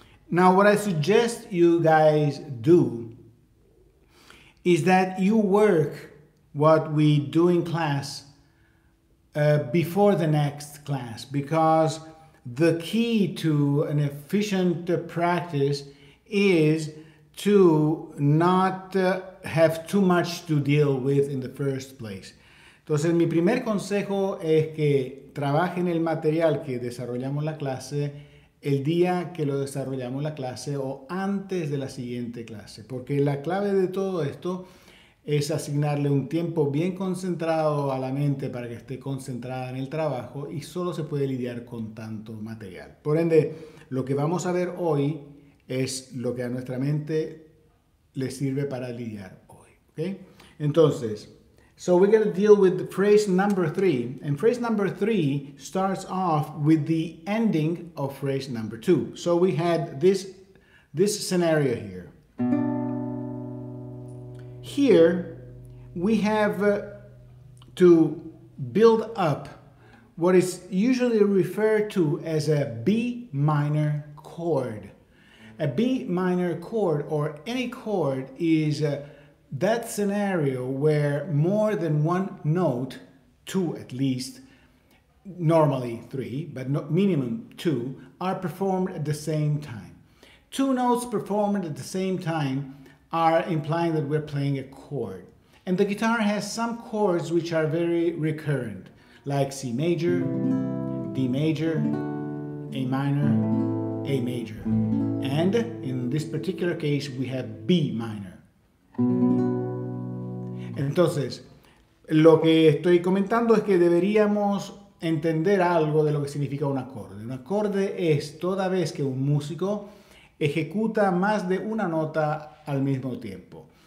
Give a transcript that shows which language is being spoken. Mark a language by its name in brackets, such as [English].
[English] Now, what I suggest you guys do is that you work what we do in class before the next class, because the key to an efficient practice is to not have too much to deal with in the first place. [Spanish] Entonces, mi primer consejo es que trabajen el material que desarrollamos la clase el día que lo desarrollamos la clase o antes de la siguiente clase. Porque la clave de todo esto es asignarle un tiempo bien concentrado a la mente para que esté concentrada en el trabajo y solo se puede lidiar con tanto material. Por ende, lo que vamos a ver hoy es lo que a nuestra mente le sirve para lidiar hoy. ¿Okay? [English] Entonces, so we're going to deal with phrase number three. And phrase number three starts off with the ending of phrase number two. So we had this scenario here. Here, we have to build up what is usually referred to as a B minor chord. A B minor chord, or any chord, is that scenario where more than one note, two at least, normally three, but no, minimum two, are performed at the same time. Two notes performed at the same time are implying that we're playing a chord. And the guitar has some chords which are very recurrent, like C major, D major, A minor, A major. And in this particular case, we have B minor. [Spanish] Entonces, lo que estoy comentando es que deberíamos entender algo de lo que significa un acorde. Un acorde es toda vez que un músico ejecuta más de una nota al mismo tiempo.